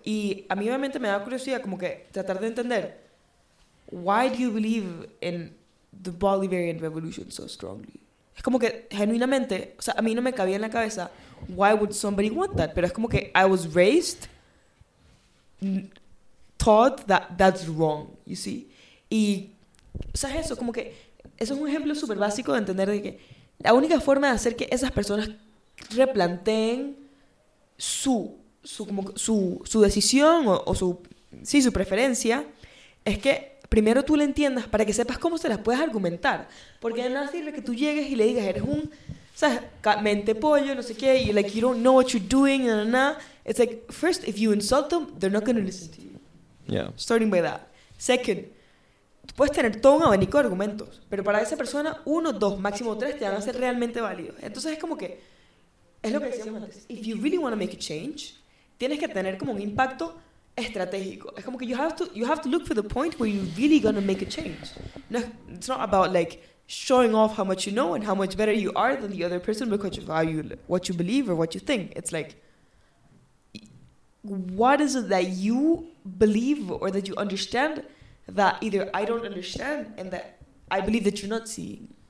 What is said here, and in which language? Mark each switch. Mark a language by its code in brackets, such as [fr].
[es] Y a mí obviamente me da curiosidad como que tratar de entender [en] why do you believe in the Bolivarian Revolution so strongly? [es] Es como que genuinamente, o sea, a mí no me cabía en la cabeza [en] why would somebody want that? [es] Pero es como que [en] I was raised taught that that's wrong, you see? [es] Y, ¿sabes eso? Como que, eso es un ejemplo súper básico de entender de que la única forma de hacer que esas personas replanteen su decisión o su preferencia es que primero tú la entiendas para que sepas cómo se las puedes argumentar. Porque no es decirle que tú llegues y le digas, eres un, ¿sabes? Mente pollo, no sé qué, y [en] like, you don't know what you're doing, na, na, na. It's like, first, if you insult them, they're not going to listen to you. Yeah. Starting by that. [es] Second, tú puedes tener todo un abanico de argumentos, pero para esa persona, uno, dos, máximo tres, te van a ser realmente válidos. Entonces, es como que, es lo que decíamos antes. [en] If you really want to make a change, [es] tienes que tener como un impacto estratégico. Es como que [en] you have to look for the point where you're really going to make a change. No, it's not about, like, showing off how much you know and how much better you are than the other person because you value what you believe or what you think. It's like, what is it that you believe or that you understand that either I don't understand and that I believe that you're not seeing?